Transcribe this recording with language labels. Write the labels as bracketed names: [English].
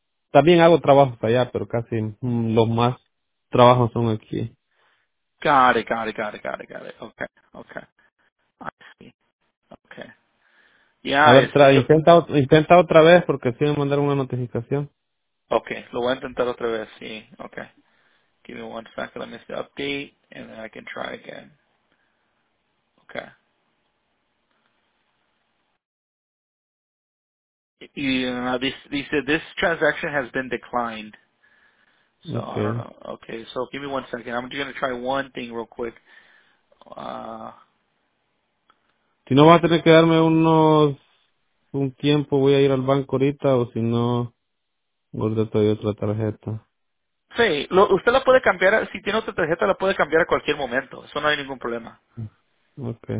[Spanish] También hago trabajos allá, pero casi los más trabajos son aquí. [English] Got it. Okay. I see. Okay. Yeah, [Spanish] a ver, intenta otra vez porque si me mandaron una notificación. Okay, lo voy a intentar otra vez, sí. Okay. [English] Give me one second, let me see the update, and then I can try again. Okay. This transaction has been declined. So give me one second. I'm just going to try one thing real quick. [Spanish] Si no, va a tener que darme un tiempo, voy a ir al banco ahorita, o si no, guardo todavía otra tarjeta. Sí, usted la puede cambiar, si tiene otra tarjeta, la puede cambiar a cualquier momento, eso no hay ningún problema. Okay.